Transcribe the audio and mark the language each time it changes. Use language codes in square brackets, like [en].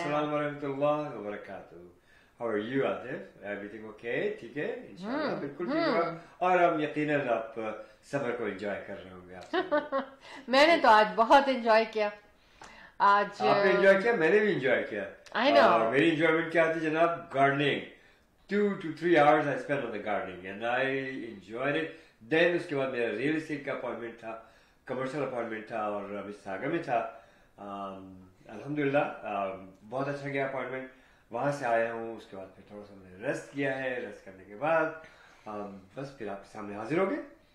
[en] अस्सलाम वालेकुम व बरकातहू. How are you Atif? Everything okay? [hi] ठीक है इंशाल्लाह, बिल्कुल ठीक है. और हम यकीनन आप सफर को एंजॉय कर रहे होंगे. मैंने तो आज बहुत एंजॉय किया. आज आपने एंजॉय किया, मैंने भी एंजॉय किया. [en] I know [hi] मेरी एंजॉयमेंट क्या थी जनाब? [en] Gardening. 2 to 3 hours I spent on the gardening and I enjoyed it. [hi] Then उसके बाद मेरा real estate का appointment था, commercial appointment था और अभी सागर में था. अल्हम्दुलिल्लाह बहुत अच्छा गया appointment. वहां से आया हूँ, उसके बाद फिर थोड़ा सा मैंने rest किया है. rest करने के बाद बस फिर आपके सामने हाजिर हो गए.